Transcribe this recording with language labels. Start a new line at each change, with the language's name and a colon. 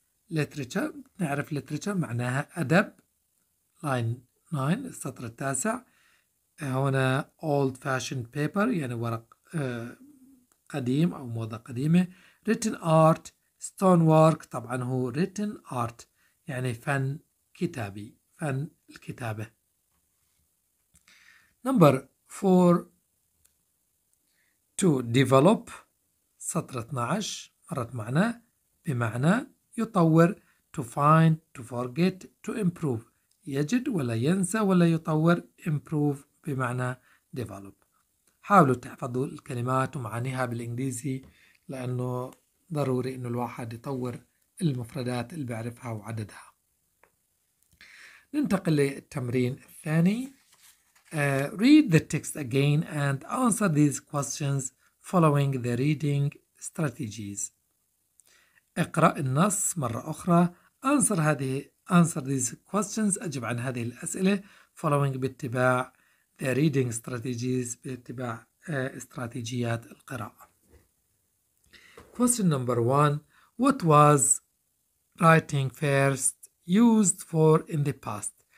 Arabic: literature نعرف literature معناها أدب. line 9 السطر التاسع هنا
English: old fashioned paper
Arabic: يعني ورق قديم أو موضة قديمة.
English: written art stonework
Arabic: طبعا هو written art يعني فن كتابي فن الكتابة.
English: number 4 to develop
Arabic: سطر 12 مرت معنا بمعنى يطور
English: to find to forget to improve
Arabic: يجد ولا ينسى ولا يطور improve بمعنى develop. حاولوا تحفظوا الكلمات ومعانيها بالإنجليزي لأنه ضروري أن الواحد يطور المفردات اللي بيعرفها وعددها. ننتقل للتمرين الثاني.
English: Read the text again and answer these questions following the reading strategies.
Arabic: اقرأ النص مرة أخرى.
English: Answer these questions.
Arabic: أجب عن هذه الأسئلة following باتباع
English: the reading strategies
Arabic: باتباع استراتيجيات القراءة.
English: Question number one. What was writing first used for in the past?